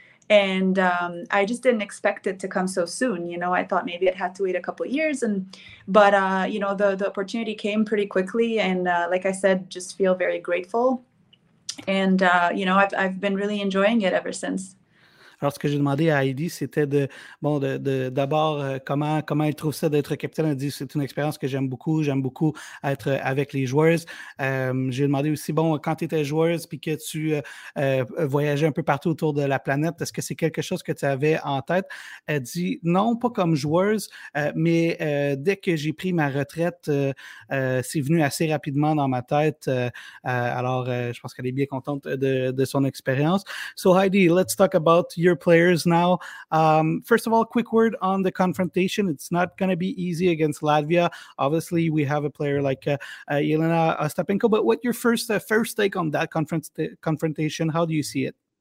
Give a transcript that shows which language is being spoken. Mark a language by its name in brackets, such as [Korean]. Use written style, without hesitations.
[English] And I just didn't expect it to come so soon. You know, I thought maybe I'd have to wait a couple of years. But you know, the opportunity came pretty quickly. And like I said, just feel very grateful. And, you know, I've been really enjoying it ever since. [French] Alors, ce que j'ai demandé à Heidi, c'était d'abord comment elle trouve ça d'être capitaine. Elle dit c'est une expérience que j'aime beaucoup. J'aime beaucoup être avec les joueuses. J'ai demandé aussi, bon, quand tu étais joueuse puis que tu voyageais un peu partout autour de la planète, est-ce que c'est quelque chose que tu avais en tête? Elle dit non, pas comme joueuse, mais dès que j'ai pris ma retraite, c'est venu assez rapidement dans ma tête. Je pense qu'elle est bien contente de son expérience. [English] So, Heidi, let's talk about your players now. First of all, quick word on the confrontation. It's not going to be easy against Latvia. Obviously, we have a player like Yelena Ostapenko, but what's your first take on that confrontation? How do you see it?